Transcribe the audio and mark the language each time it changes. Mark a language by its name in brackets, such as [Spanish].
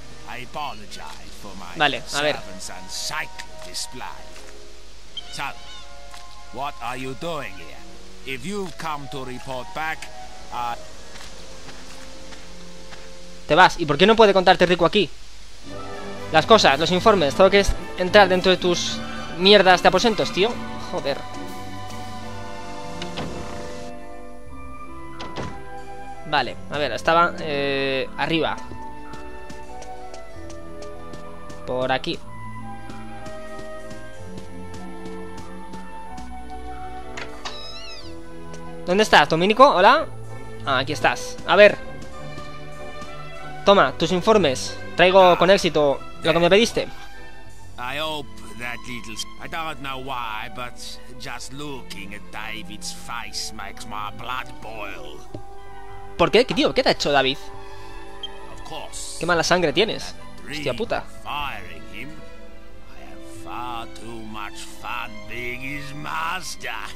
[English] I apologize for my servants' unsightly display. So, what are you doing here? If you've come to report back, [Spanish] te vas. ¿Y por qué no puede contarte Rico aquí? Las cosas, los informes, todo lo que es entrar dentro de tus mierdas de aposentos, tío. Joder. Vale, a ver, estaba arriba. Por aquí. ¿Dónde estás, Domínico? ¿Hola? Ah, aquí estás. A ver. Toma, tus informes. Traigo con éxito lo que me pediste. [English] I hope that little... I don't know why, but just looking at David's face makes my blood boil. [Spanish] ¿Por qué? ¿Qué, tío? ¿Qué te ha hecho David? [English] Of course. [Spanish] ¿Qué mala sangre tienes? Hostia puta. [English] Firing him. I have far too much fun being his master.